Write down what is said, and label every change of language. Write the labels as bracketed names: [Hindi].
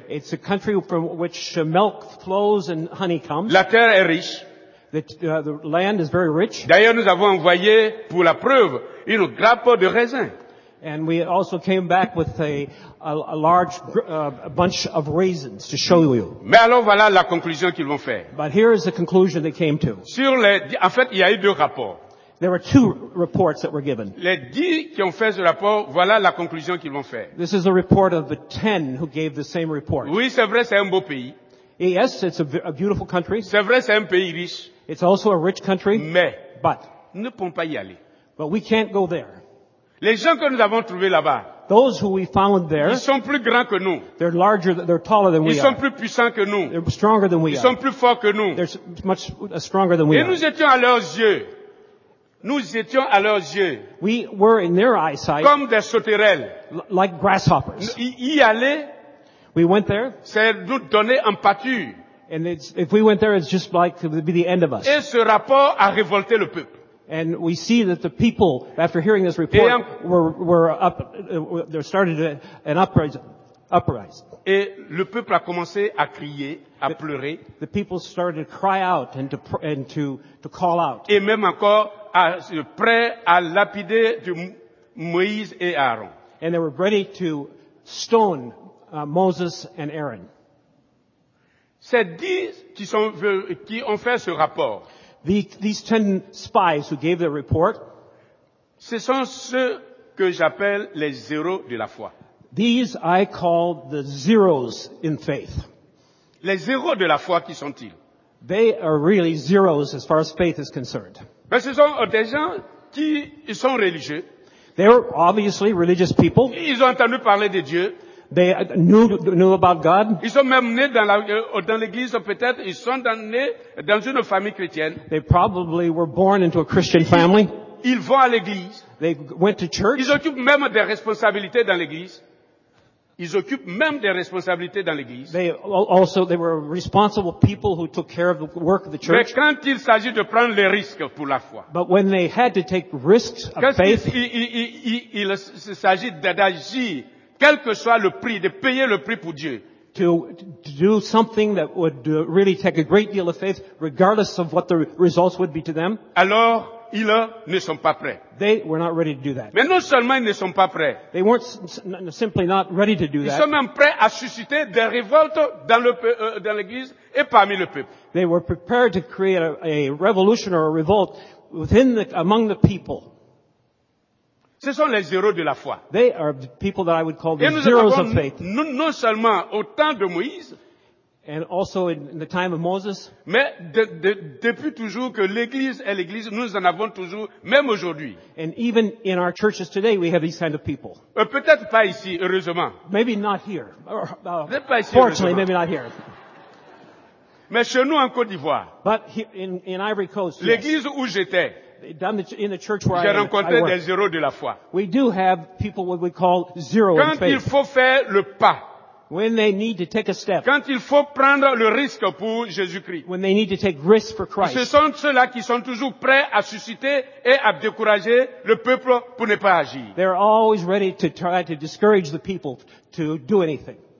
[English] It's a country from which milk flows and honey comes. [French] La terre est riche. [English] The land is very rich. [French] D'ailleurs, nous avons envoyé pour la preuve une grappe de raisins. [English] And we also came back with a large bunch of raisins to show you. [French] Mais alors voilà la conclusion qu'ils vont faire. [English] But here is the conclusion they came to. [French] Sur les, en fait, il y a eu deux rapports. [English] There were two reports that were given. [French] Les 10 qui ont fait ce rapport, voilà la conclusion qu'ils vont faire. [English] This is a report of the 10 who gave the same report. [French] Oui, c'est vrai, c'est un beau pays. [English] Yes, it's a beautiful country. [French] C'est vrai, c'est un pays riche. [English] It's also a rich country. [French] Mais, [English] but, [French] ne pouvons pas y aller. [English] But we can't go there. [French] Les gens que nous avons trouvés là-bas, [English] those who we found there, [French] ils sont plus grands que nous. [English] They're larger, they're taller than [French] ils [English] we are. [French] Ils sont plus puissants que nous. [English] They're stronger than we [French] ils [English] are. [French] Ils sont plus forts que nous. [English] They're much stronger than [French] et [English] we are. [French] Et nous étions à leurs yeux. Nous étions à leurs yeux. [English] We were in their eyesight. [French] Comme des sauterelles. [English] Like grasshoppers. [French] Y aller. [English] We went there. [French] C'est nous donner en pâture. [English] And if we went there, it's just like it would be the end of us. [French] Et ce rapport a révolté le peuple. [English] And we see that the people, after hearing this report, were up, they started an uprising. [French] Et le peuple a commencé à crier, à pleurer. [English] The people started to cry out and to call out. [French] Et même encore, prêts à lapider de Moïse et Aaron. [English] And they were ready to stone Moses and Aaron. [French] Ces 10 qui ont fait ce rapport. [English] These 10 spies who gave the report. [French] Ce sont ceux que j'appelle les zéros de la foi. [English] These I call the zeros in faith. [French] Les zéros de la foi qui sont-ils? [English] They are really zeros as far as faith is concerned. [French] Mais ce sont des gens qui sont religieux. [English] They are obviously religious people. [French] Ils ont entendu parler de Dieu. [English] They knew about God. [French] Ils sont même nés dans l'église, peut-être. Ils sont nés dans une famille chrétienne. [English] They probably were born into a Christian family. [French] Ils vont à l'église. [English] They went to church. [French] Ils occupent même des responsabilités dans l'église. Ils occupent même des responsabilités dans l'église. [English] They were responsible people who took care of the work of the church. [French] Mais quand il s'agit de prendre les risques pour la foi. [English] But when they had to take risks of faith. [French] Quand il s'agit d'agir. Quel que soit le prix, de payer le prix pour Dieu. [English] To do something that would really take a great deal of faith, regardless of what the results would be to them. [French] Alors, ils ne sont pas prêts. [English] They were not ready to do that. [French] Mais non seulement ils ne sont pas prêts. [English] They weren't simply not ready to do [French] ils [English] that. [French] Ils sont même prêts à susciter des révoltes dans l'église et parmi le peuple. [English] They were prepared to create a revolution or a revolt among the people. [French] Ce sont les zéros de la foi. [English] They are people that I would call the zeros of faith. [French] Et nous avons non seulement au temps de Moïse, [English] and also in the time of Moses, [French] mais depuis toujours que l'Église est l'Église, nous en avons toujours, même aujourd'hui. [English] And even in our churches today, we have these kind of people. [French] Peut-être pas ici, heureusement. [English] Maybe not here. [French] Peut-être pas ici, [English] fortunately, maybe not here. [French] Mais chez nous en Côte d'Ivoire. [English] But here, in Ivory Coast. [French] L'Église [English] yes. [French] Où j'étais. [English] In the church where [French] j'ai rencontré des zéros de la foi. [English] We do have people what we call zero [French] quand [English] in faith. [French] Il faut faire le pas. [English] When they need to take a step. [French] Quand il faut prendre le risque pour Jésus-Christ. [English] When they need to take risk for Christ. [French] Ce sont ceux-là qui sont toujours prêts à susciter et à décourager le peuple pour ne pas agir. [English] They're always ready to try to discourage the people to do anything.